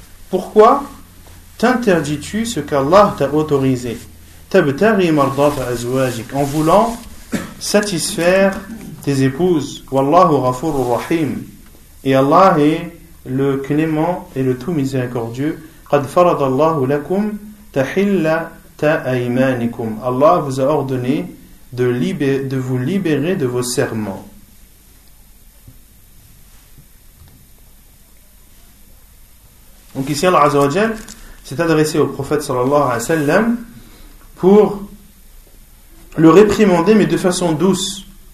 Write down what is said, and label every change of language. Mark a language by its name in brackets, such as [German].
[French] Pourquoi t'interdis-tu ce qu'Allah t'a autorisé? [Arabic] Tabtari mardat azwajik, [French] en voulant satisfaire tes épouses. [Arabic] Wallahu ghafur rahim. [French] Et Allah est le clément et le tout miséricordieux. [Arabic] قَدْ فَرَضَ اللَّهُ لَكُمْ تَحِلَّ تَأَيْمَانِكُمْ. [French] Allah vous a ordonné de vous libérer de vos serments. Donc ici Allah Azza wa Jal s'est adressé au prophète [Arabic] sallallahu alayhi wa sallam [French] pour le réprimander mais de façon douce.